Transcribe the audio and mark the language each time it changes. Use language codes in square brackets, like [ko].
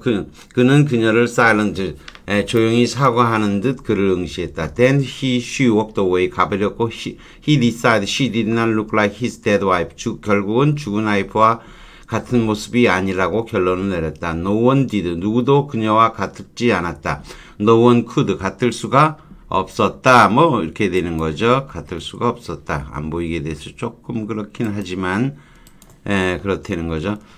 [ko] 그는 그녀를 silent, 조용히 사과하는 듯 그를 응시했다. [en] Then she walked away. [ko] 가버렸고, [en] he decided she did not look like his dead wife. [ko] 결국은 죽은 와이프와 같은 모습이 아니라고 결론을 내렸다. [en] No one did. [ko] 누구도 그녀와 같지 않았다. [en] No one could. [ko] 같을 수가 없었다. 뭐 이렇게 되는 거죠. 같을 수가 없었다. 안 보이게 돼서 조금 그렇긴 하지만 그렇다는 거죠.